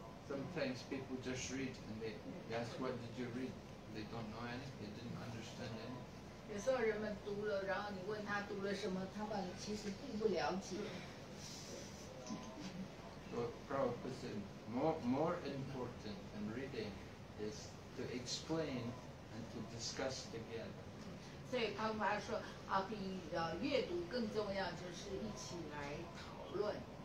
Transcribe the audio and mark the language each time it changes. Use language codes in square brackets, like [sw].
[en] Sometimes people just read and they ask, what did you read? They don't know anything, they didn't understand anything. [zh] 有时候人们读了，然后你问他读了什么，他们其实并不了解。 [en] So Prabhupada said, more important than reading is to explain and to discuss together. [zh] 所以他们还说，比阅读更重要，就是一起来讨论。